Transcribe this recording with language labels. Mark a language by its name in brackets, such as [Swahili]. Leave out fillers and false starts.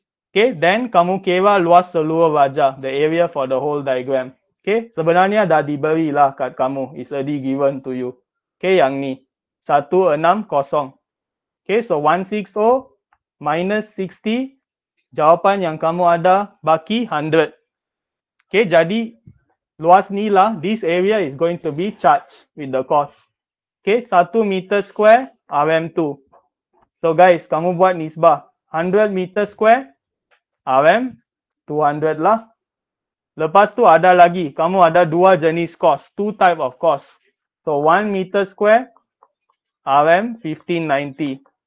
[English] Okay, then [Malay] kamu kira luas seluruh raja, [English] the area for the whole diagram. [Malay] Okay, sebenarnya dah diberi lah kat kamu. [English] It's already given to you. [Malay] Okay, yang ni. 160. [English] Okay, so 160 minus 60. [Malay] Jawapan yang kamu ada baki 100. [English] Okay, [Malay] jadi luas ni lah, [English] this area is going to be charged with the cost. Okay, 1 meter square RM2. [Malay] So guys, kamu buat nisbah. [English] 100 meter square RM200 lah. [Malay] Lepas tu ada lagi, kamu ada dua jenis cost. [English] Two type of cost. So 1 meter square RM1590.